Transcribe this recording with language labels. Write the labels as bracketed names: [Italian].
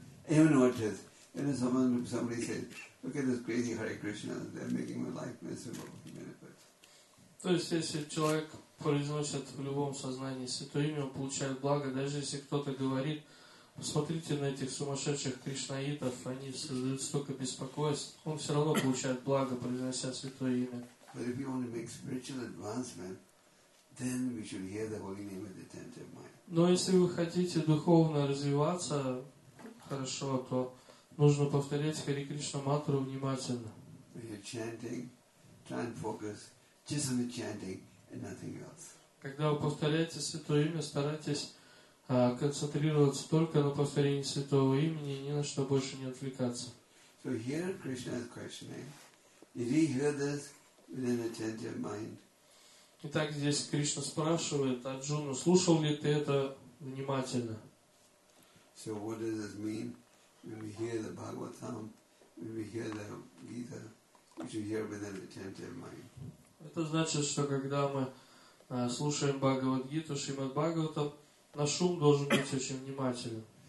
[English] Even what is, you know, somebody says, look at this crazy Hare Krishna, they're making my life miserable. [Russian] То есть, если человек произносит в любом сознании святое имя, он получает благо. Даже если кто-то говорит, посмотрите на этих сумасшедших кришнаитов, они создают столько беспокойств, он все равно получает благо, произнося святое имя. [English] But if you want to make spiritual advancement, then we should hear the holy name with attentive mind. [Russian] Но если вы хотите духовно развиваться хорошо, то нужно повторять Хари Кришна мантру внимательно. [English] When you're chanting, try and focus just on the chanting and nothing else. [Russian] Когда вы повторяете святое имя, старайтесь концентрироваться только на повторении святого имени, ни на что больше не отвлекаться. [English] So here Krishna is questioning, did he hear this with an attentive mind? [Russian] Итак, здесь Кришна спрашивает Арджуну, слушал ли ты это внимательно? [English] So what does this mean? When we hear the Bhagavatam, when we hear the Gita, we should hear with an attentive mind. [Russian] Это значит, что когда мы слушаем Бхагавад-гиту, Шримад-Бхагаватам, на шум должен быть очень внимателен.